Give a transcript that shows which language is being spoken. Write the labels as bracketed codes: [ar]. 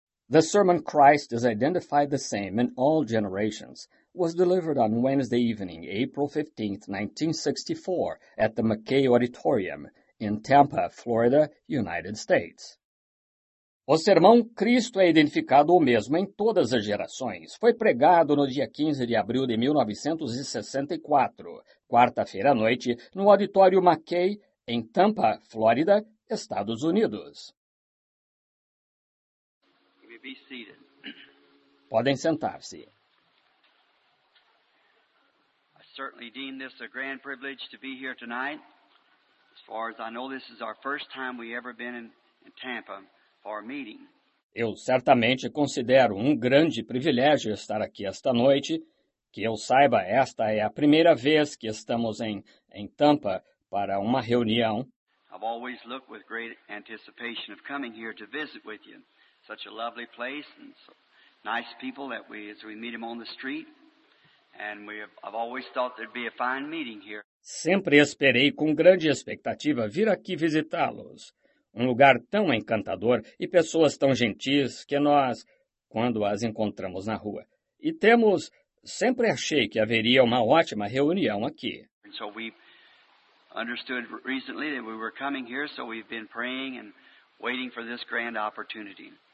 [en] The sermon Christ is identified the same in all generations was delivered on Wednesday evening, April 15, 1964, at the McKay Auditorium in Tampa, Florida, United States. [pt] O sermão Cristo é identificado o mesmo em todas as gerações. Foi pregado no dia 15 de abril de 1964, quarta-feira à noite, no Auditório McKay, em Tampa, Flórida, Estados Unidos. Podem sentar-se. [en] Certainly deem this a grand privilege to be here tonight. As far as I know, this is our first time we've ever been in Tampa for a meeting. [pt] Eu certamente considero um grande privilégio estar aqui esta noite. Que eu saiba, esta é a primeira vez que estamos em Tampa para uma reunião. [en] I've always looked with great anticipation of coming here to visit with you. Such a lovely place and so nice people that we, as we meet them on the street. And I've always thought there'd be a fine meeting here. [pt] Sempre esperei com grande expectativa vir aqui visitá-los. Um lugar tão encantador e pessoas tão gentis que nós, quando as encontramos na rua. E temos, sempre achei que haveria uma ótima reunião aqui. [en] And so we understood recently that we were coming here, so we've been praying and waiting for this grand opportunity.